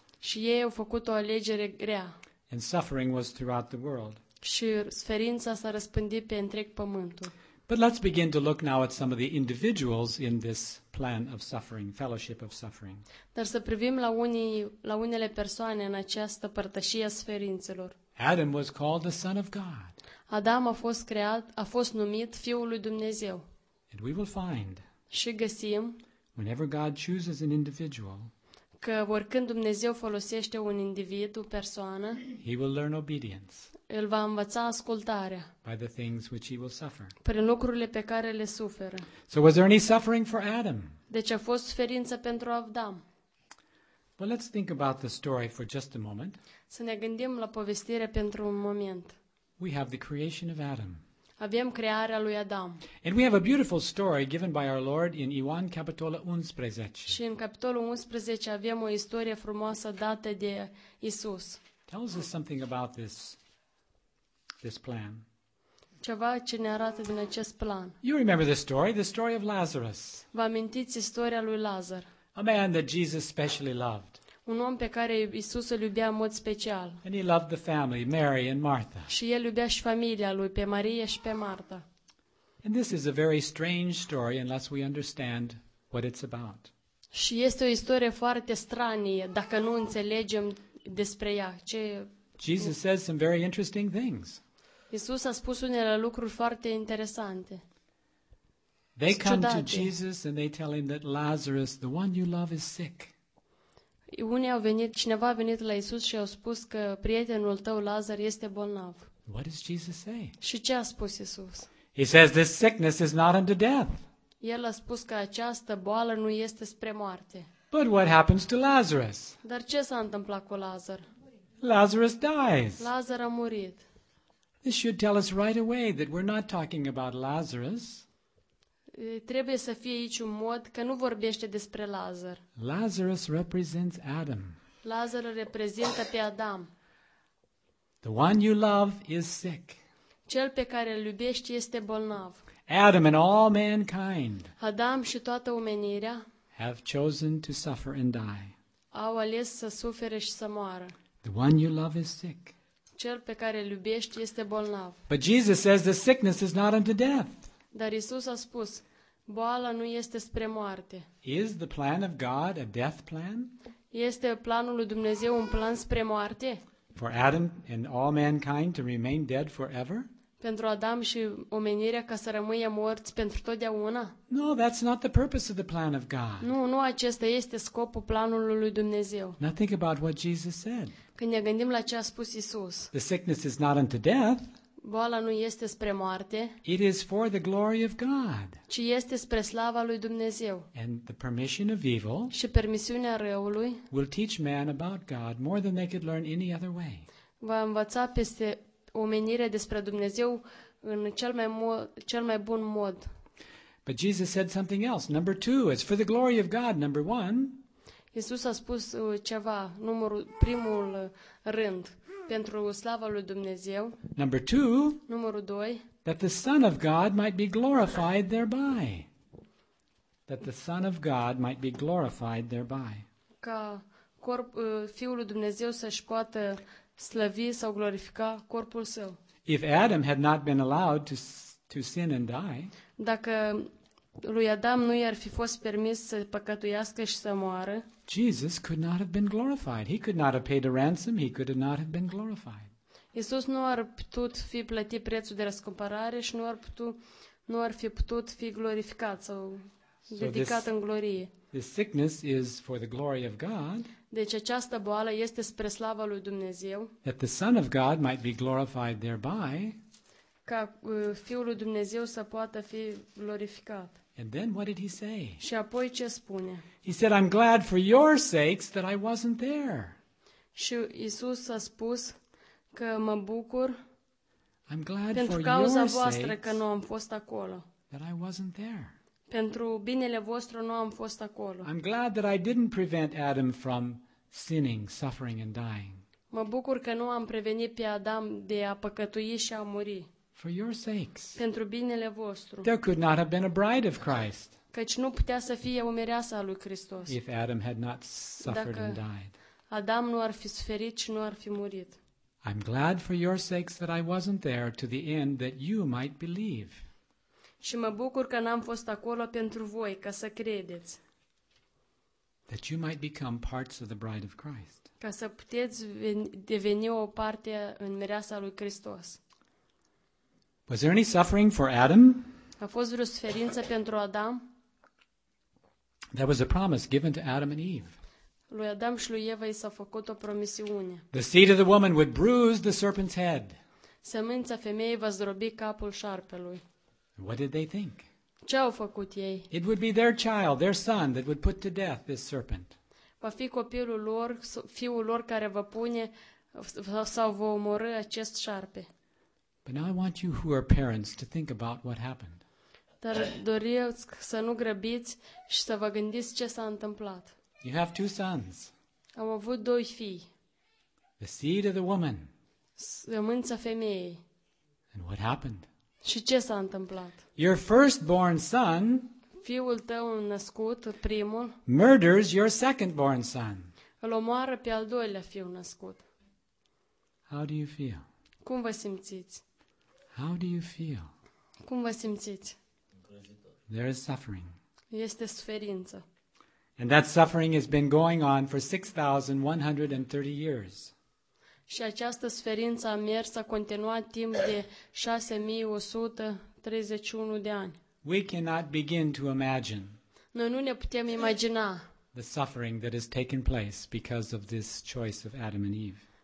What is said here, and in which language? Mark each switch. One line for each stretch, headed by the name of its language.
Romanian: Și ei au făcut o alegere grea.
English: And suffering was throughout the world.
Romanian: Și suferința s-a răspândit pe întreg pământul.
English: But let's begin to look now at some of the individuals in this plan of suffering, fellowship of suffering.
Romanian: Dar să privim la unele persoane în această părtășie a suferințelor.
English: Adam was called the son of God.
Romanian: Adam a fost numit fiul lui Dumnezeu.
English: And we will find.
Romanian: Și găsim.
English: Whenever God chooses an individual,
Romanian: că oricând Dumnezeu folosește un individ, o persoană,
English: he will learn obedience.
Romanian: El va învăța ascultarea.
English: By the things which he will suffer.
Romanian: Prin lucrurile pe care le suferă.
English: So was there any suffering for Adam?
Romanian: Deci a fost suferință pentru Adam.
English: Well, let's think about the story for just a moment.
Romanian: Să ne gândim la povestire pentru un moment.
English: We have the creation of Adam.
Romanian: Avem crearea lui Adam.
English: And we have a beautiful story given by our Lord in
Romanian: Ioan capitolul 11. Și în capitolul 11 avem o istorie frumoasă dată de Isus.
English: Tells us something about this plan.
Romanian: Ceva ce ne arată din acest plan.
English: You remember the story of Lazarus.
Romanian: Vă amintiți istoria lui Lazar?
English: A man that Jesus specially loved.
Romanian: Un om pe care Isus îl iubea în mod special.
English: And he loved the family, Mary and Martha.
Romanian: Și el iubea și familia lui, pe Maria și pe Marta.
English: And this is a very strange story unless we understand what it's about.
Romanian: Și este o istorie foarte stranie dacă nu înțelegem despre ea. Ce
English: Jesus says some very interesting things.
Romanian: Isus a spus unele lucruri foarte interesante.
English: They come to Jesus and they tell him that Lazarus, the one you love, is sick.
Romanian: Cineva a venit la Isus și a spus că prietenul tău Lazar este bolnav.
English: What does Jesus say?
Romanian: Și ce a spus Isus?
English: He says this sickness is not unto death.
Romanian: El a spus că această boală nu este spre moarte.
English: But what happens to Lazarus?
Romanian: Dar ce s-a întâmplat cu Lazar?
English: Lazarus dies.
Romanian: Lazar a murit.
English: This should tell us right away that we're not talking about Lazarus.
Romanian: Trebuie să fie aici un mod că nu vorbește despre Lazar.
English: Lazarus represents Adam.
Romanian: Lazar reprezintă pe Adam.
English: The one you love is sick.
Romanian: Cel pe care îl iubești este bolnav.
English: Adam and all mankind.
Romanian: Adam și toată omenirea.
English: Have chosen to suffer and die.
Romanian: Au ales să sufere și să moară.
English: The one you love is sick.
Romanian: Cel pe care îl iubești este bolnav.
English: But Jesus says the sickness is not unto death.
Romanian: Dar Isus a spus, boala nu este spre moarte.
English: Is the plan of God a death plan?
Romanian: Este planul lui Dumnezeu un plan spre moarte?
English: For Adam and all mankind to remain dead forever?
Romanian: Pentru Adam și omenirea ca să rămâie morți pentru totdeauna?
English: No, that's not the purpose of the plan of God.
Romanian: Nu acesta este scopul planului lui Dumnezeu.
English: Now think about what Jesus said.
Romanian: Când ne gândim la ce a spus Isus.
English: The sickness is not unto death.
Romanian: Boala nu este spre moarte.
English: It is for the glory of God.
Romanian: Ci este spre slava lui Dumnezeu.
English: And the permission of evil.
Romanian: Și permisiunea răului.
English: Will teach man about God more than they could learn any other way.
Romanian: Va învăța peste omenire despre Dumnezeu în cel mai bun mod.
English: But Jesus said something else. Number two, it's for the glory of God. Number one.
Romanian: Iisus a spus ceva, primul rând. Pentru slava lui Dumnezeu.
English: Number two,
Romanian: numărul 2.
English: That the Son of God might be glorified thereby. That the Son of God might be glorified thereby.
Romanian: Ca fiul lui Dumnezeu să-și poată slăvi sau glorifica corpul său.
English: If Adam had not been allowed to sin and die.
Romanian: Dacă lui Adam nu i-ar fi fost permis să păcătuiască și să moară.
English: Jesus could not have been glorified. He could not have paid a ransom. He could not have been glorified.
Romanian: Iisus nu ar putut fi plătit prețul de răscumpărare și nu ar fi putut fi glorificat sau dedicat în glorie.
English: This sickness is for the glory of God.
Romanian: Deci această boală este spre slava lui Dumnezeu.
English: That the Son of God might be glorified thereby.
Romanian: Ca fiul lui Dumnezeu să poată fi glorificat.
English: And then what did he say?
Romanian: Și apoi ce spune?
English: He said, I'm glad for your sakes that I wasn't there.
Romanian: Și Isus a spus că mă bucur.
English: I'm glad
Romanian: pentru cauza voastră că nu am fost acolo.
English: That I wasn't there.
Romanian: Pentru binele vostru nu am fost acolo.
English: I'm glad that I didn't prevent Adam from sinning, suffering and dying.
Romanian: Mă bucur că nu am prevenit pe Adam de a păcătui și a muri.
English: For your sakes.
Romanian: Pentru binele vostru.
English: There could not have been a bride of Christ.
Romanian: Căci nu putea să fie o mireasă a lui Hristos.
English: If Adam had not suffered and died.
Romanian: Adam nu ar fi suferit și nu ar fi murit.
English: I'm glad for your sakes that I wasn't there to the end that you might believe.
Romanian: Și mă bucur că n-am fost acolo pentru voi ca să credeți.
English: That you might become parts of the bride of Christ.
Romanian: Ca să puteți deveni o parte în mireasa lui Hristos.
English: Was there any suffering for Adam?
Romanian: A fost vreo suferință pentru Adam?
English: That was a promise given to Adam and Eve.
Romanian: Lui Adam și lui Eva i s-a făcut o promisiune.
English: The seed of the woman would bruise the serpent's head.
Romanian: Semința femeii va zdrobi capul șarpelui.
English: What did they think?
Romanian: Ce au făcut ei?
English: It would be their child, their son, that would put to death this serpent.
Romanian: Va fi copilul lor, fiul lor care va pune sau va omorâ acest șarpe.
English: But now I want you who are parents to think about what happened.
Romanian: Dar doresc să nu grăbiți și să vă gândiți ce s-a întâmplat.
English: You have two sons.
Romanian: Au avut doi fii.
English: The seed of the woman.
Romanian: Sămânța femeii.
English: And what happened?
Romanian: Și ce s-a întâmplat?
English: Your firstborn son.
Romanian: Fiul tău născut, primul.
English: Murders your secondborn son.
Romanian: Îl omoară pe al doilea fiu născut.
English: How do you feel?
Romanian: Cum vă simțiți?
English: How do you feel?
Romanian: Cum vă simțiți?
English: There is suffering.
Romanian: Este suferință.
English: And that suffering has been going on for 6130 years.
Romanian: Și această suferință a mers, a continuat timp de 6131 de ani.
English: We cannot begin to imagine.
Romanian: Noi nu ne putem imagina.
English: The suffering that has taken place because of this choice of Adam and Eve.